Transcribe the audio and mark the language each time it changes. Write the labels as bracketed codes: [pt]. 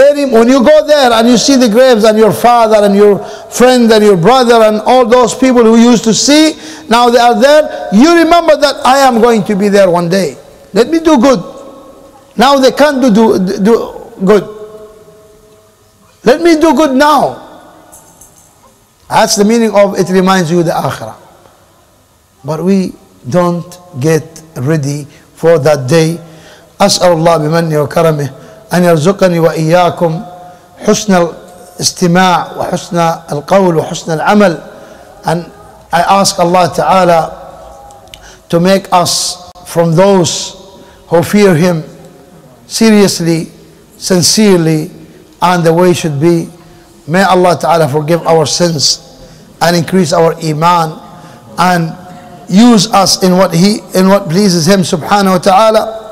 [en] When you go there and you see the graves and your father and your friend and your brother and all those people who used to see, now they are there, you remember that I am going to be there one day. Let me do good. Now they can't do good. Let me do good now. That's the meaning of it reminds you the Akhirah. But we don't get ready for that day. [ar] أسأل الله بمنه وكرمه أن يرزقني وإياكم حسن الاستماع وحسن القول وحسن العمل. [en] And I ask Allah Ta'ala to make us from those who fear Him seriously, sincerely, and the way should be. May Allah Ta'ala forgive our sins and increase our iman and use us in what He, in what pleases Him subhanahu wa ta'ala,